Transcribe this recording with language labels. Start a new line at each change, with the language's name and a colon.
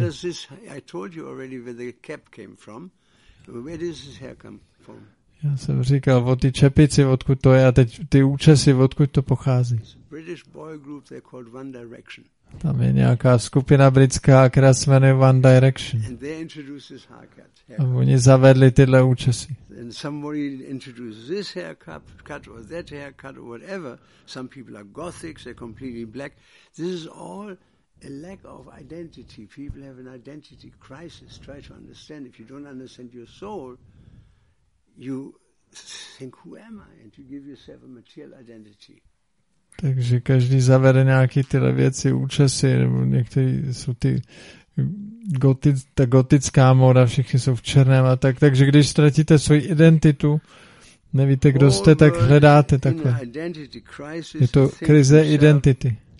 English: Where does this, I told you already where the cap came from. Where does this hair come from?
Czech: Já jsem říkal, o ty čepici, odkud to je a teď ty účesy, odkud to pochází.
English: British boy group, they're called One Direction.
Czech: Tam je nějaká skupina britská, která se jmenuje One Direction.
English: And they introduce this haircut.
Czech: A oni zavedli tyhle účesy.
English: And somebody introduces this haircut or that haircut or whatever. Some people are gothics, they're completely black. This is all a lack of identity. People have an identity crisis. Try to understand. If you don't understand your soul, you think, who am I? And you give yourself a material identity.
Czech: Takže každý zavede nějaké tyhle věci, účesy, nebo některé jsou ty ta gotická móda, všichni jsou v černém a tak. Takže když ztratíte svou identitu, nevíte, kdo jste, tak hledáte takhle. Je to krize identity.